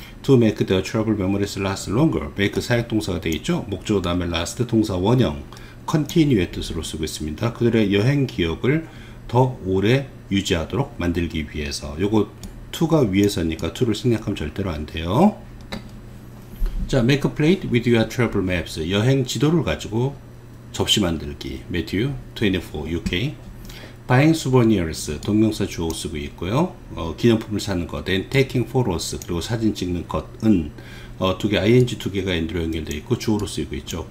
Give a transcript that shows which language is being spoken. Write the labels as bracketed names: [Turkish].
[English] To make their travel memories last longer. Make [Korean] 사역동사가 되어있죠. 목적어 다음에 last 동사 원형. Continue의 뜻으로 쓰고 있습니다. 그들의 여행 기억을 더 오래 유지하도록 만들기 위해서. 요거 to가 위해서니까 to를 생략하면 절대로 안 돼요. [English] 자, make a plate with your travel maps. [Korean] 여행 지도를 가지고 접시 만들기. [English] Matthew 24 UK. Buying souvenirs, [Korean] 동명사 주어 쓰고 있고요. 기념품을 사는 것, [English] then taking photos, [Korean] 그리고 사진 찍는 것은 두 개, ing 두 개가 엔드로 연결되어 있고 주어로 쓰이고 있죠.